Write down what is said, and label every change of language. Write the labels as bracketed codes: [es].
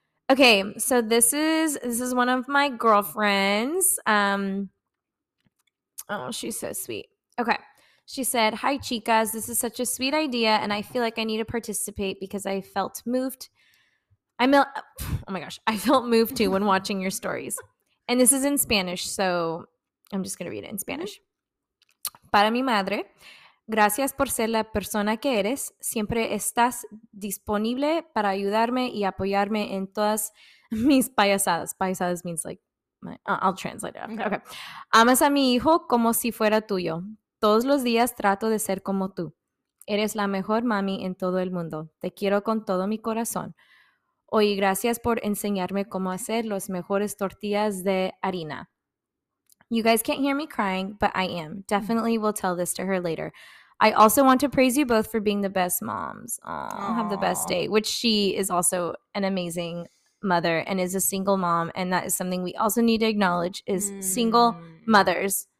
[en] Okay, so this is one of my girlfriends. Oh, she's so sweet. Okay. She said, "Hi, chicas. This is such a sweet idea, and I feel like I need to participate because I felt moved. I felt moved too when watching your stories." And this is in Spanish, so I'm just going to read it in Spanish. [es] "Para mi madre, gracias por ser la persona que eres. Siempre estás disponible para ayudarme y apoyarme en todas mis payasadas." [en] Payasadas means like, I'll translate it. Okay. [es] "Amas a mi hijo como si fuera tuyo. Todos los días trato de ser como tú. Eres la mejor mami en todo el mundo. Te quiero con todo mi corazón. Hoy, gracias por enseñarme cómo hacer los mejores tortillas de harina." [en] You guys can't hear me crying, but I am. Definitely will tell this to her later. "I also want to praise you both for being the best moms." Aww. "Have the best day." Which she is also an amazing mother and is a single mom. And that is something we also need to acknowledge is single mothers.